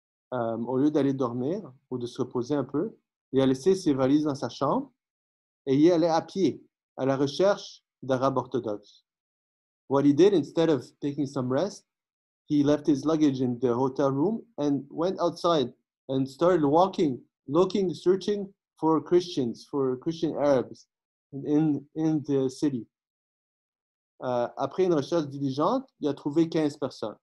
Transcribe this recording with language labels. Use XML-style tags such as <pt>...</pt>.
<fr>Au lieu d'aller dormir ou de se reposer un peu, il a laissé ses valises dans sa chambre et il est allé à pied à la recherche d'Arabes orthodoxes.</fr> <en>What he did, instead of taking some rest, he left his luggage in the hotel room and went outside and started walking, looking, searching for Christians, for Christian Arabs in the city.</en> <fr>Après une recherche diligente, il a trouvé 15 personnes.</fr>